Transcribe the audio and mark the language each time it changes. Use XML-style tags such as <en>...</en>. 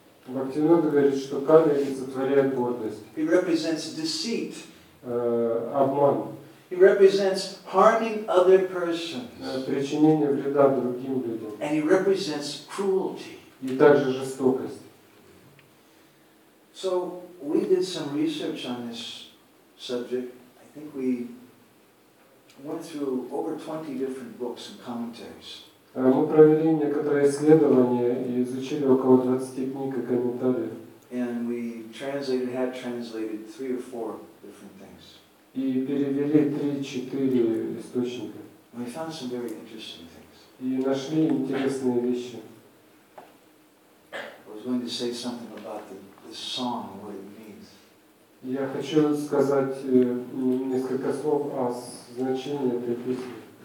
<ru>Бхактивинода говорит, что Калия олицетворяет гордость.</ru> <en>He represents deceit.</en> <ru>Обман.</ru> <en>He represents harming other persons.</en> <ru>Причинение вреда другим людям.</ru> <en>And he represents cruelty.</en> <ru>И также жестокость.</ru> <en>So we did some research on this subject. I think we went through over 20 different books and commentaries.</en> <ru>Мы провели некоторые исследования и изучили около 20 книг и комментариев.</ru> <en>And we translated, had translated three or four different things.</en> <ru>И перевели 3-4 источника.</ru> <en>We found some very interesting things.</en> <ru>И нашли интересные вещи.</ru> <en>I was going to say something about the song, what it means.</en> <ru>Я хочу сказать несколько слов о значении этой песни.</ru>